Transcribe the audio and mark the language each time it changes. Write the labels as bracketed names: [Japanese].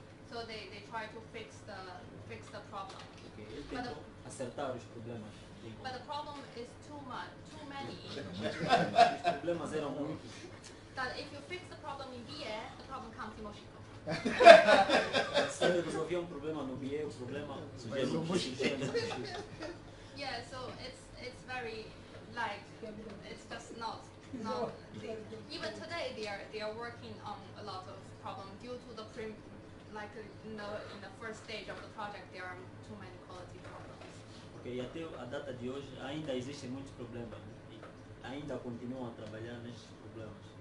[English] So they try to fix the problem. [Portuguese] Okay. [English] But [Portuguese] acertar os problemas. [English] But the problem is too many. [Portuguese] Os problemas eram muitos. [English] That if you fix the problem in BA, the problem comes in Moshiko. [Portuguese] Se eu resolvia um problema no BA, o problema surgia no Moshiko. [English] Yeah, so it's very like it's just not. No, even today they are working on a lot of problems due to the in the first stage of the project there are too many quality problems. [Portuguese] Okay, até a data de hoje ainda existem muitos problemas e ainda continuam a trabalhar nesses problemas.